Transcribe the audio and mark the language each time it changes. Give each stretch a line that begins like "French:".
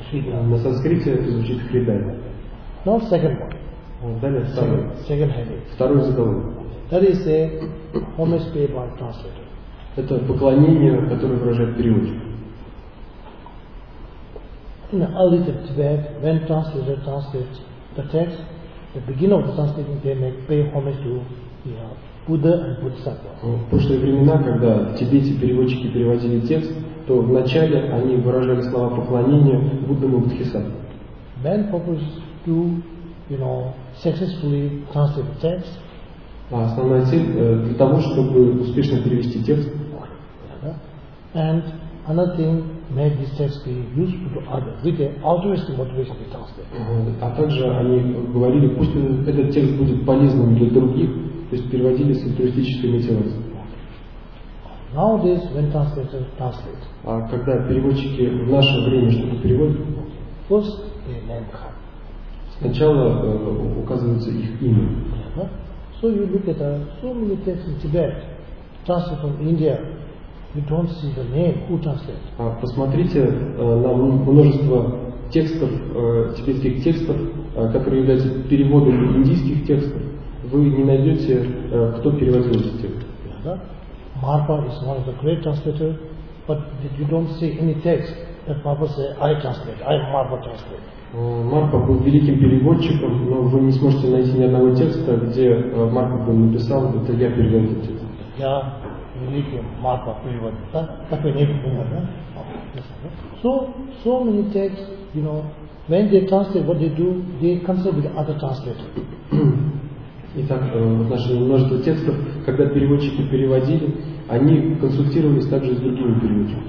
Russian: На санскрите это звучит Хридая.
English: Now second one.
Russian: Далее второй.
English: Second habit.
Russian: Второй заголовок.
English: That is a homage paid by translator.
Russian: Это поклонение, которое выражает переводчик.
English: In the early Tibet, when translator translates the text, the beginning of the translation, they make pay homage to Buddha and Bodhisattva.
Russian: В прошлые времена, когда в Тибете переводчики переводили текст, то вначале они выражали слова поклонения Буддам и Бодхисаттвам.
English: Then purpose to, you know, successfully translate the text.
Russian: Основная цель для того, чтобы успешно перевести текст.
English: And another thing, make these texts be useful to others with the altruistic motivation they tell us there.
Russian: А также они говорили, пусть этот текст будет полезным для других, то есть переводили с альтруистической мотивацией.
English: Nowadays, when translators translate,
Russian: а когда переводчики в наше время что-то переводят,
English: first they name them.
Russian: Сначала указывается их имя.
English: So you look at so many texts in Tibet, translated from India, you don't see the name who translates.
Russian: А посмотрите на множество текстов, тибетских текстов, которые являются переводами индийских текстов, вы не найдете, кто переводил эти тексты.
English: Marpa is one of the great translators, but you don't see any text that Marpa say, I translate, I Marpa translate.
Russian: Marpa был великим переводчиком, но вы не сможете найти ни одного текста, где Marpa бы написал, это я перевел этот текст. Я великий Marpa переводчик, да? Такой не пример, да?
English: So many texts, you know, when they translate what they do, they consult with other translators.
Russian: Итак, в отношении множества текстов, когда переводчики переводили, они консультировались также с другими